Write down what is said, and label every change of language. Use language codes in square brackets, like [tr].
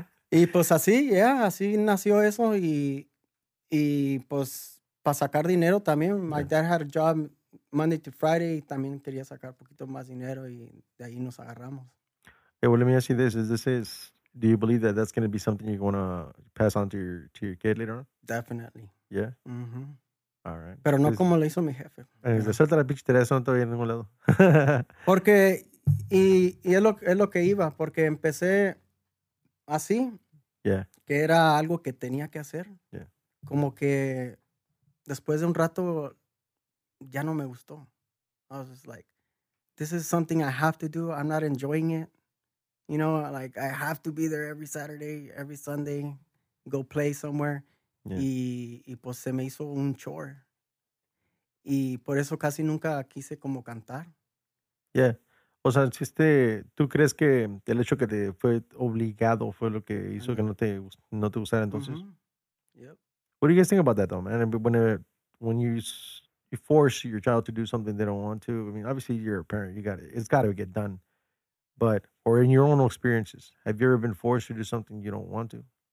[es] Y pues así, así nació eso y pues para sacar dinero también. [en] My dad had a job Monday to Friday [es] y también quería sacar poquito más dinero y de ahí nos agarramos. [en] Hey, well, let me ask you this. Do you believe that that's going to be something you're going to pass on to your kid later on? Definitely. Yeah? Mm-hmm. All right. [es] Pero no como lo hizo mi jefe. Suelta la pinche tarea, eso no te voy a ningún lado. Porque, Y es lo que iba, porque empecé así, que era algo que tenía que hacer. Como que después de un rato ya no me gustó. [en] I was just like, this is something I have to do. I'm not enjoying it. You know, like, I have to be there every Saturday, every Sunday, go play somewhere. [es] Y pues se me hizo un chore. Y por eso casi nunca quise como cantar. O sea, ¿tú crees que el hecho que te fue obligado fue lo que hizo que no te gustara entonces? [en] What do you guys think about that, though, man? When you force your child to do something they don't want to, I mean, obviously you're a parent. It's got to get done. But, or in your own experiences, have you ever been forced to do something you don't want to?